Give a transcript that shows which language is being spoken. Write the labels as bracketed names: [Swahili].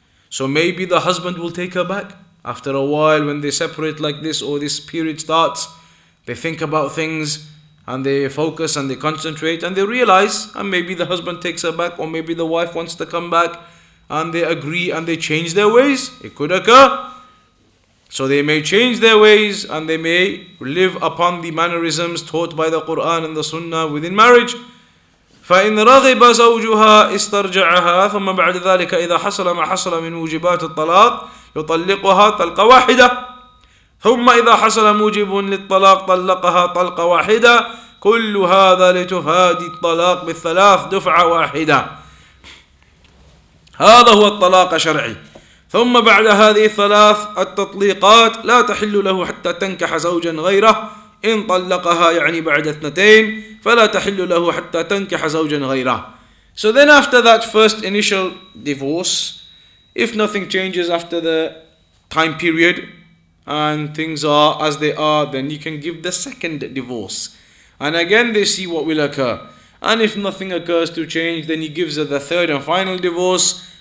[English] So maybe the husband will take her back. After a while, when they separate like this or this period starts, they think about things and they focus and they concentrate and they realize, and maybe the husband takes her back or maybe the wife wants to come back and they agree and they change their ways. It could occur. So they may change their ways and they may live upon the mannerisms taught by the Quran and the Sunnah within marriage. [Arabic] فإن رغب زوجها استرجعها ثم بعد ذلك إذا حصل ما حصل من موجبات الطلاق يطلقها طلقة واحدة ثم إذا حصل موجب للطلاق طلقها طلقة واحدة كل هذا لتفادي الطلاق بالثلاث دفعة واحدة هذا هو الطلاق الشرعي ثم بعد هذه الثلاث التطليقات لا تحل له حتى تنكح زوجا غيره إن طلقها يعني بعد اثنتين فلا تحل له حتى تنكح زوجا غيره. [English] So then after that first initial divorce, if nothing changes after the time period and things are as they are, then you can give the second divorce. And again they see what will occur. And if nothing occurs to change, then he gives her the third and final divorce.